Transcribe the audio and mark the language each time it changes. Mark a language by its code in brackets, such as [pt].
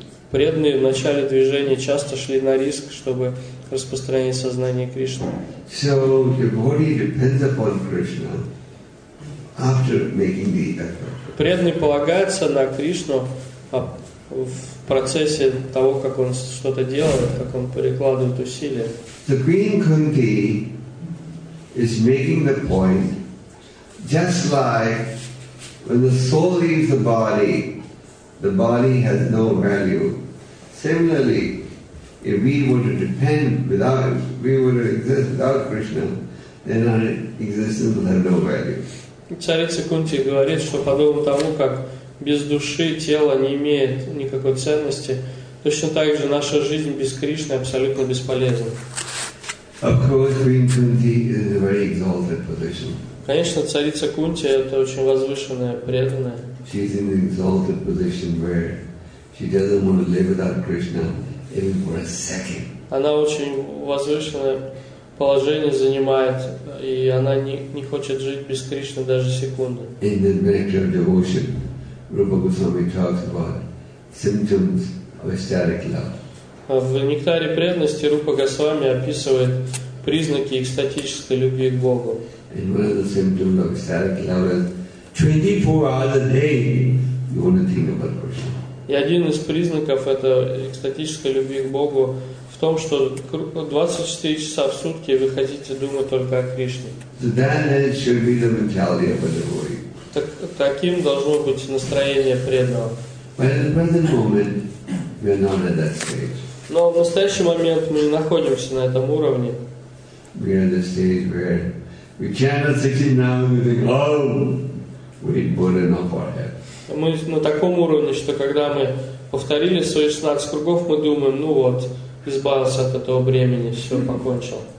[ru] Преданные в начале движения часто шли на риск, чтобы распространить сознание Кришны. [en] So devotee depends upon Krishna after making the effort. [ru] Преданный полагается на Кришну в процессе того, как он что-то делает, как он прикладывает усилия. [en] The Queen Kunti is making the point just like when the soul leaves the body, the body has no value. Similarly, if we were to depend without, if we were to exist without Krishna, then our existence would have no value. [ru] Царица Кунти говорит, что подобно тому, как без души тело не имеет никакой ценности, точно так же наша жизнь без Кришны абсолютно бесполезна. [en] Of course, Queen Kunti is a very exalted position. [ru] Конечно, царица Кунти – это очень возвышенная, преданная. [en] She is in an exalted position where she doesn't want to live without Krishna even for a second. [ru] Она очень возвышенная. Положение занимает, и она не хочет жить без Кришны даже секунды. [en] In the nature of devotion, Rupa Goswami talks about symptoms of ecstatic love. [ru] В нектаре преданности Рупа Госвами описывает признаки экстатической любви к Богу. [en] And one of the symptoms of ecstatic love is 24 hours a day you want to think about Krishna. [ru] И один из признаков это экстатической любви к Богу в том, что 24 часа в сутки вы хотите думать только о Кришне. [en] So that should be the mentality of a devotee. [ru] Таким должно быть настроение преданного. [en] But at the present moment, we are not at that stage. [ru] Но в настоящий момент мы не находимся на этом уровне. [en] We are at the stage where we chant 16 now and we think, oh, we put it off our head. [ru] Мы на таком уровне, что когда мы повторили свои 16 кругов, мы думаем, ну вот, избавился от этого бремени, все покончил.